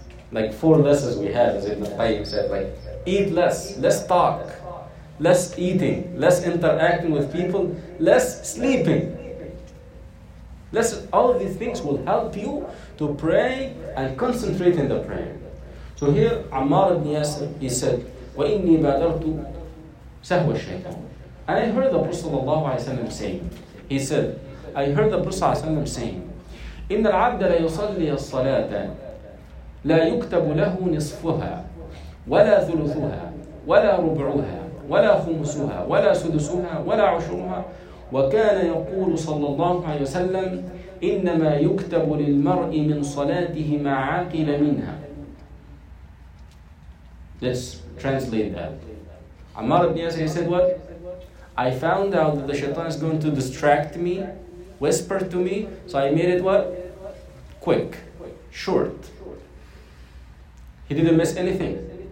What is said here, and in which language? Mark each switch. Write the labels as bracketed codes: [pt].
[en] Like four lessons we have, as Ibn Qayyim said, like eat less, less talk, less eating, less interacting with people, less sleeping. Less, all of these things will help you to pray and concentrate in the prayer. So here, Ammar ibn Yasir, he said, [ar] وَإِنِّي بَادَرْتُ سَهْوَ الشَّيْطَانِ. [en] And I heard the Prophet ﷺ saying, [ar] he said, I heard the Prophet ﷺ saying, إِنَّ الْعَبْدَ لَيُصَلِّيَ الصَّلَاةَ لَا يُكْتَبُ لَهُ نِصْفُهَا وَلَا ثُلُثُهَا وَلَا رُبْعُهَا وَلَا خُمُسُهَا وَلَا سُدُسُهَا وَلَا عُشُرُهَا وَكَانَ يَقُولُ صَلَّى اللَّهُ عَلَيْهِ وَسَلَّمْ إِنَّمَا يُكْتَبُ لِلْمَرْءِ مِنْ صَلَاتِهِ مَا عَاقِلَ مِنْهَا. [en] Let's translate that. Ammar ibn Yasir, he said what? I found out that the shaitan is going to distract me, whisper to me, so I made it what? Quick, short. He didn't miss anything.